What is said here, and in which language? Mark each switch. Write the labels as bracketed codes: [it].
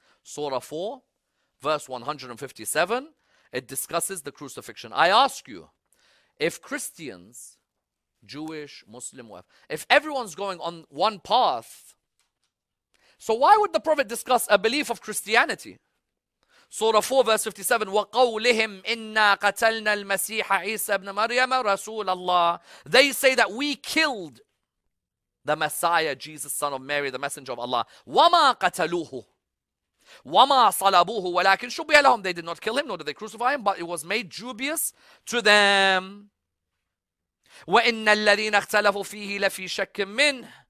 [en] Surah 4, verse 157, it discusses the crucifixion. I ask you, if Christians, Jewish, Muslim, if everyone's going on one path, so why would the Prophet discuss a belief of Christianity? Surah 4 verse 57, [ar] وَقَوْلِهِمْ إِنَّا قَتَلْنَا الْمَسِيحَ عِيسَى بْنَ مَرْيَمَ رَسُولَ اللَّهِ. [en] They say that we killed the Messiah, Jesus, son of Mary, the messenger of Allah. [ar] وَمَا قَتَلُوهُ وَمَا صَلَبُوهُ وَلَكِنْ شُبِّهَ لَهُمْ. [en] They did not kill him, nor did they crucify him, but it was made dubious to them. [ar] وَإِنَّ الَّذِينَ اخْتَلَفُوا فِيهِ لَفِي شَكٍ مِّنْهِ.